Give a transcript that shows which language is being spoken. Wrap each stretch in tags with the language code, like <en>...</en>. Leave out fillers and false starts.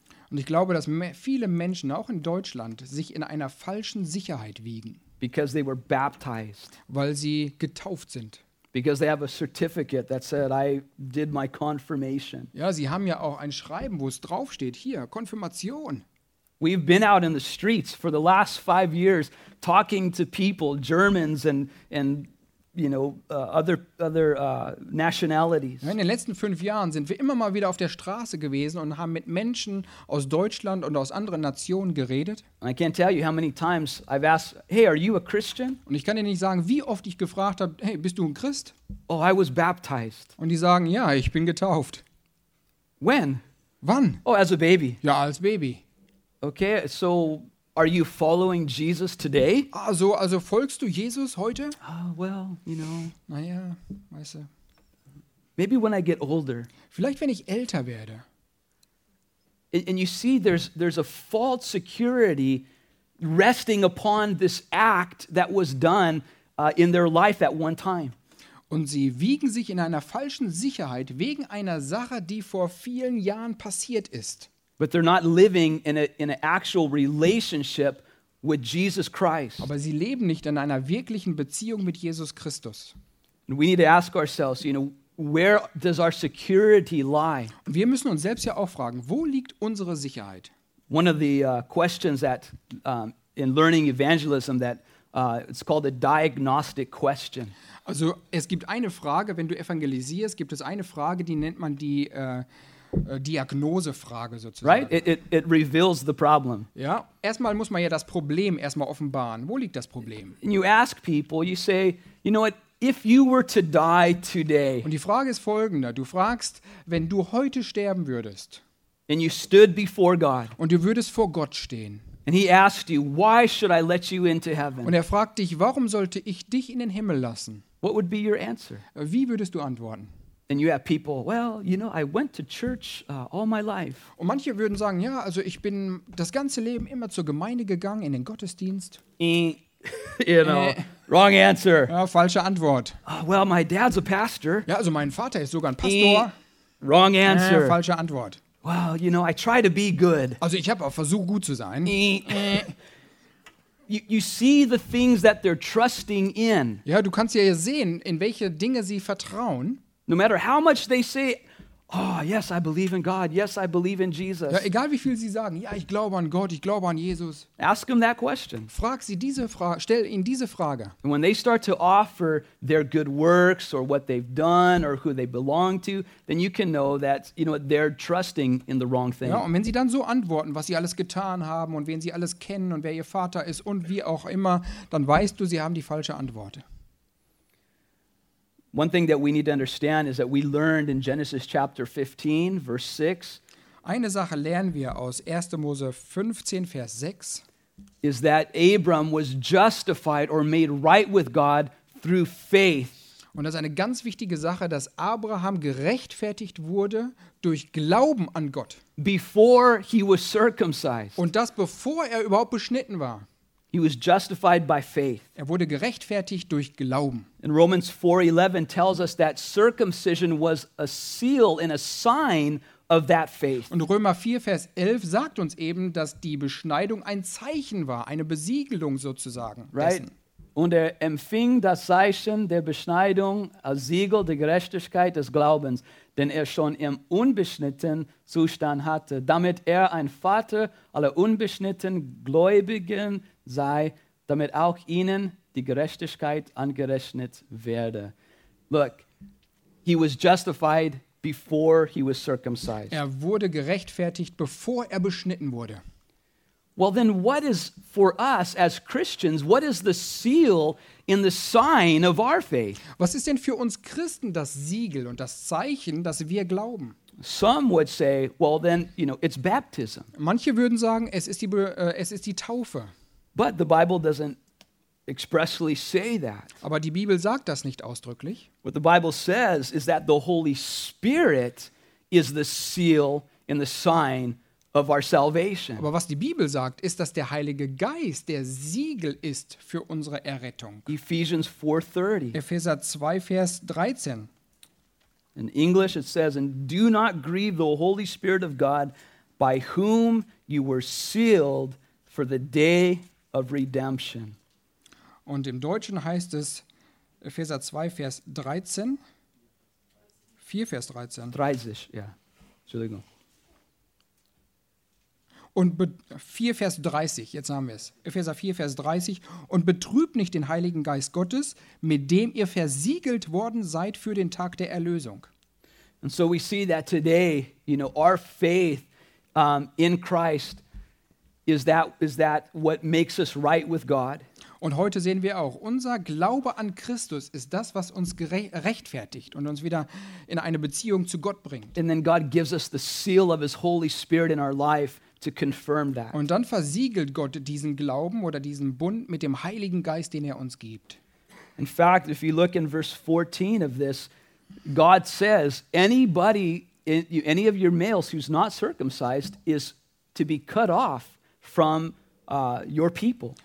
<de>Und ich glaube, dass viele Menschen auch in Deutschland sich in einer falschen Sicherheit wiegen.</de> <en>Because they were baptized.</en> <de>Weil sie getauft sind.</de> <en>Because they have a certificate that said I did my confirmation.</en> <de>Ja, sie haben ja auch ein Schreiben, wo es drauf steht, hier, Konfirmation.</de> <en>We've been out in the streets for the last 5 years talking to people, Germans and you know, other nationalities.</en> <de>Ja, in den letzten 5 Jahren sind wir immer mal wieder auf der Straße gewesen und haben mit Menschen aus Deutschland und aus anderen Nationen geredet.</de> <en>I can't tell you how many times I've asked, hey, are you a Christian?</en> <de>Und ich kann dir nicht sagen, wie oft ich gefragt habe, hey, bist du ein Christ?</de> <en>Oh, I was baptized.</en> <de>Und die sagen, ja, ich bin getauft.</de> <en>When?</en> <de>Wann?</de> <en>Oh, as a baby.</en> <de>Ja, als Baby.</de> <en>Okay, so are you following Jesus today?</en> <de>Also folgst du Jesus heute?</de> <en>Well, you know.</en> <de>Naja, weißt du.</de> <en>Maybe when I get older.</en> <de>Vielleicht wenn ich älter werde.</de> <en>And you see, there's a false security resting upon this act that was done in their life at one time.</en> <de>Und sie wiegen sich in einer falschen Sicherheit wegen einer Sache, die vor vielen Jahren passiert ist.</de> <en>But they're not living in an actual relationship with Jesus Christ.</en> <de>Aber sie leben nicht in einer wirklichen Beziehung mit Jesus Christus.</de> <en>And we need to ask ourselves, you know, where does our security lie?</en> <de>Und wir müssen uns selbst ja auch fragen, wo liegt unsere Sicherheit?</de> <en>One of the questions that in learning evangelism that it's called a diagnostic question.</en> <de>Also es gibt eine Frage, wenn du evangelisierst, gibt es eine Frage, die nennt man die Diagnosefrage sozusagen.</de> <en>Right, it reveals the problem.</en> <de>Ja, erstmal muss man ja das Problem erstmal offenbaren. Wo liegt das Problem?</de> <en>And you ask people, you say, you know what, if you were to die today.</en> <de>Und die Frage ist folgender, du fragst, wenn du heute sterben würdest.</de> <en>And you stood before God.</en> <de>Und du würdest vor Gott stehen.</de> <en>And he asked you, why should I let you into heaven?</en> <de>Und er fragt dich, warum sollte ich dich in den Himmel lassen?</de> <en>What would be your answer?</en> <de>Wie würdest du antworten?</de> <en>And you have people, well, you know, I went to church all my life.</en> <de>Und manche würden sagen, ja, also ich bin das ganze Leben immer zur Gemeinde gegangen, in den Gottesdienst.</de> <en>You know, wrong answer.</en> <de>Ja, falsche Antwort.</de> <en>Oh, well, my dad's a pastor.</en> <de>Ja, also mein Vater ist sogar ein Pastor.</de> <en>Wrong answer.</en> <de>Falsche Antwort.</de> <en>Well, you know, I try to be good.</en> <de>Also ich habe auch versucht, gut zu sein.</de> <en>You see the things that they're trusting in.</en> <de>Ja, du kannst ja sehen, in welche Dinge sie vertrauen.</de> <en>No matter how much they say, oh, yes, I believe in God. Yes, I believe in Jesus.</en> <de>Ja, egal wie viel sie sagen, ja, ich glaube an Gott, ich glaube an Jesus.</de> <en>Ask them that question.</en> <de>Frag sie diese Frage, stell ihnen diese Frage.</de> <en>And when they start to offer their good works or what they've done or who they belong to, then you can know that, you know, they're trusting in the wrong thing.</en> <de>Ja, und wenn sie dann so antworten, was sie alles getan haben und wen sie alles kennen und wer ihr Vater ist und wie auch immer, dann weißt du, sie haben die falsche Antwort.</de> <en>One thing that we need to understand is that we learned in Genesis chapter 15, verse 6.</en> <de>Eine Sache lernen wir aus 1. Mose 15, Vers 6.</de> <en>Is that Abram was justified or made right with God through faith.</en> <de>Und das ist eine ganz wichtige Sache, dass Abraham gerechtfertigt wurde durch Glauben an Gott.</de> <en>Before he was circumcised.</en> <de>Und das bevor er überhaupt beschnitten war.</de> <en>He was justified by faith.</en> <de>Er wurde gerechtfertigt durch Glauben.</de> <en>And Romans 4:11 tells us that circumcision was a seal and a sign of that faith.</en> <de>Und Römer 4 Vers 11 sagt uns eben, dass die Beschneidung ein Zeichen war, eine Besiegelung sozusagen.</de> <en>Right.</en> <de>Dessen. Und er empfing das Zeichen der Beschneidung als Siegel der Gerechtigkeit des Glaubens, den er schon im unbeschnittenen Zustand hatte, damit er ein Vater aller unbeschnittenen Gläubigen sei, damit auch ihnen die Gerechtigkeit angerechnet werde.</de> <en>Look, he was justified before he was circumcised.</en> <de>Er wurde gerechtfertigt, bevor er beschnitten wurde.</de> <en>Well, then, what is for us as Christians? What is the seal in the sign of our faith?</en> <de>Was ist denn für uns Christen das Siegel und das Zeichen, dass wir glauben?</de> <en>Some would say, well, then, you know, it's baptism.</en> <de>Manche würden sagen, es ist die Taufe.</de> <en>But the Bible doesn't expressly say that.</en> <de>Aber die Bibel sagt das nicht ausdrücklich.</de> <en>What the Bible says is that the Holy Spirit is the seal in the sign of our salvation.</en> <de>Aber was die Bibel sagt, ist, dass der Heilige Geist der Siegel ist für unsere Errettung.</de> <en>Ephesians 4:30.</en> <de>Epheser 2 Vers 13.</de> <en>In English it says, "And do not grieve the Holy Spirit of God, by whom you were sealed for the day of redemption."</en> <de>Und im Deutschen heißt es Epheser 2 Vers 13. 4 Vers 13. 30, ja. Entschuldigung. Und 4 Vers 30, jetzt haben wir es. Epheser 4 Vers 30. Und betrübt nicht den Heiligen Geist Gottes, mit dem ihr versiegelt worden seid für den Tag der Erlösung.</de> <en>And so we see that today, you know, our faith in Christ is that what makes us right with God.</en> <de>Und heute sehen wir auch, unser Glaube an Christus ist das, was uns rechtfertigt und uns wieder in eine Beziehung zu Gott bringt.</de> <en>And then God gives us the seal of his Holy Spirit in our life to confirm that.</en> <de>Und dann versiegelt Gott diesen Glauben oder diesen Bund mit dem Heiligen Geist, den er uns gibt.</de> <en>In fact, if you look in verse 14 of this, God says, any of your males who's not circumcised is to be cut off from your people.</en>